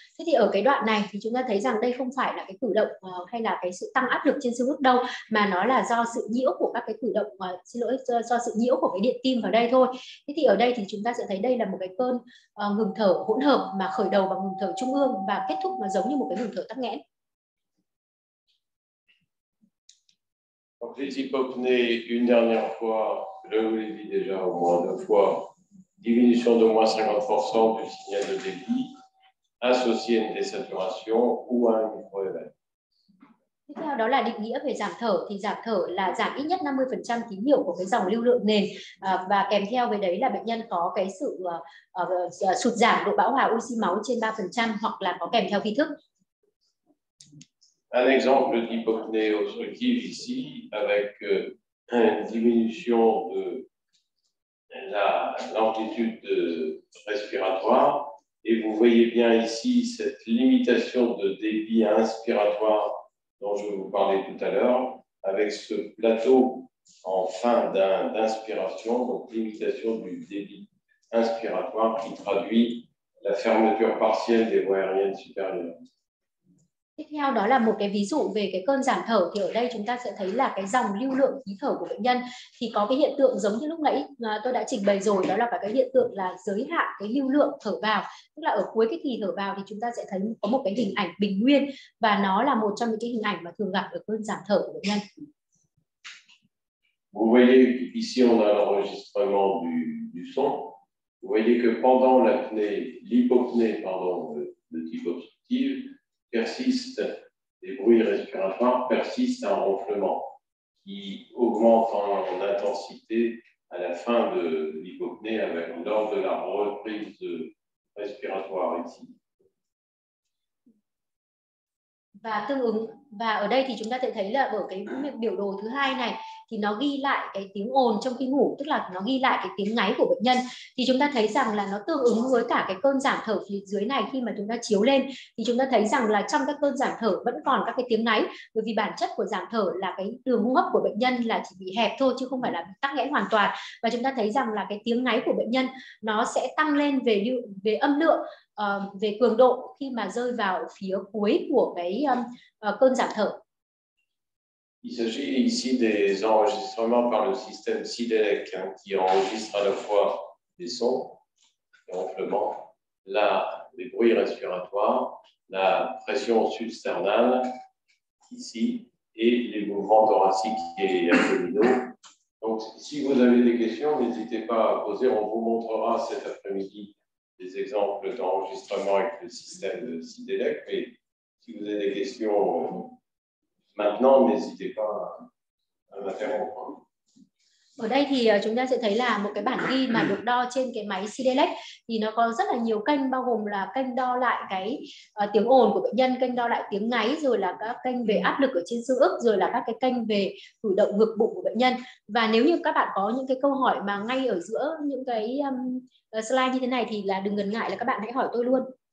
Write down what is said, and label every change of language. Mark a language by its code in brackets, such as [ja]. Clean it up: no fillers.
[vi] Thế thì ở cái đoạn này thì chúng ta thấy rằng đây không phải là cái cử động hay là cái sự tăng áp lực trên xương ức đâu, mà nó là do sự nhiễu của các cái cử động do sự nhiễu của cái điện tim vào đây thôi. Thế thì ở đây thì chúng chúng ta sẽ thấy đây là một cái cơn ngừng thở hỗn hợp mà khởi đầu bằng ngừng thở trung ương và kết thúc nó giống như một cái ngừng thở tắc nghẽn. [fr] Donc les hypopnées une dernière fois, je vous l'ai dit déjà au moins deux fois, diminution d'au moins 50% du signal de débit associé à une désaturation ou à un micro-événement. [vi] Tiếp theo đó là định nghĩa về giảm thở, thì giảm thở là giảm ít nhất 50% tín hiệu của cái dòng lưu lượng nền và kèm theo với đấy là bệnh nhân có cái sự sụt giảm độ bão hòa oxy máu trên 3% hoặc là có kèm theo vi thức. [fr] Un exemple d'hypopnée obstructive ici avec une diminution de l'amplitude respiratoire et vous voyez bien ici cette limitation de débit inspiratoire dont je vous parlais tout à l'heure, avec ce plateau en fin d'inspiration, donc limitation du débit inspiratoire qui traduit la fermeture partielle des voies aériennes supérieures. [vi] Tiếp theo đó là một cái ví dụ về cái cơn giảm thở, thì ở đây chúng ta sẽ thấy là cái dòng lưu lượng khí thở của bệnh nhân thì có cái hiện tượng giống như lúc nãy tôi đã trình bày rồi, đó là cả cái hiện tượng là giới hạn cái lưu lượng thở vào, tức là ở cuối cái kỳ thở vào thì chúng ta sẽ thấy có một cái hình ảnh bình nguyên và nó là một trong những cái hình ảnh mà thường gặp ở cơn giảm thở của bệnh nhân. [fr] Vous voyez ici on a l'enregistrement du son. Vous voyez que pendant l'hypopnée de type obstructive persiste, les bruits respiratoires persistent un ronflement qui augmente en intensité à la fin de l'hypopnée avec lors de la reprise respiratoire ici. [vi] Và tương ứng và ở đây thì chúng ta sẽ thấy là ở cái biểu đồ thứ hai này thì nó ghi lại cái tiếng ồn trong khi ngủ, tức là nó ghi lại cái tiếng ngáy của bệnh nhân, thì chúng ta thấy rằng là nó tương ứng với cả cái cơn giảm thở phía dưới này. Khi mà chúng ta chiếu lên thì chúng ta thấy rằng là trong các cơn giảm thở vẫn còn các cái tiếng ngáy, bởi vì bản chất của giảm thở là cái đường hô hấp của bệnh nhân là chỉ bị hẹp thôi chứ không phải là tắc nghẽn hoàn toàn, và chúng ta thấy rằng là cái tiếng ngáy của bệnh nhân nó sẽ tăng lên về âm lượng, về cường độ khi mà rơi vào phía cuối của cái cơn giảm thở. [fr] Il s'agit ici des enregistrements par le système SIDELEC hein, qui enregistre à la fois les sons, les ronflements, les bruits respiratoires, la pression substernale ici et les mouvements thoraciques et abdominaux. Donc, si vous avez des questions, n'hésitez pas à poser. On vous montrera cet après-midi des exemples d'enregistrement avec le système SIDELEC. Mais si vous avez des questions maintenant, n'hésitez pas à m'interrompre. [vi] Ở đây thì chúng ta sẽ thấy là một cái bản ghi mà được đo trên cái máy SIDELEC, thì nó có rất là nhiều kênh, bao gồm là kênh đo lại cái tiếng ồn của bệnh nhân, kênh đo lại tiếng ngáy, rồi là các kênh về áp lực ở trên xương ức, rồi là các cái kênh về cử động ngực bụng của bệnh nhân. Và nếu như các bạn có những cái câu hỏi mà ngay ở giữa những cái slide như thế này thì là đừng ngần ngại là các bạn hãy hỏi tôi luôn.